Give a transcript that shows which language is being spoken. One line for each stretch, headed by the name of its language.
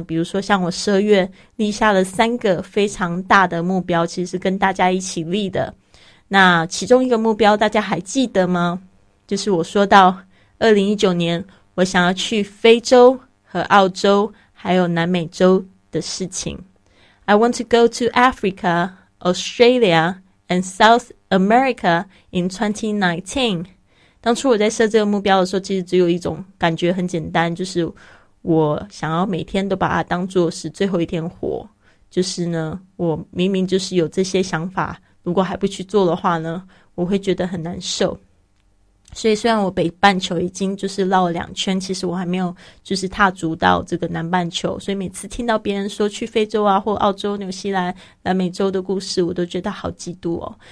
Chinese: 比如说像我12月立下了三个非常大的目标，其实是跟大家一起立的。那其中一个目标大家还记得吗？就是我说到2019年我想要去非洲和澳洲还有南美洲的事情。
English: I want to go to Africa, Australia, and South America in 2019.
Chinese: 当初我在设这个目标的时候，其实只有一种感觉，很简单，就是我想要每天都把它当作是最后一天活。就是呢，我明明就是有这些想法，如果还不去做的话呢，我会觉得很难受。所以虽然我北半球已经就是绕了两圈，其实我还没有就是踏足到这个南半球，所以每次听到别人说去非洲啊或澳洲、纽西兰、南美洲的故事，我都觉得好嫉妒哦。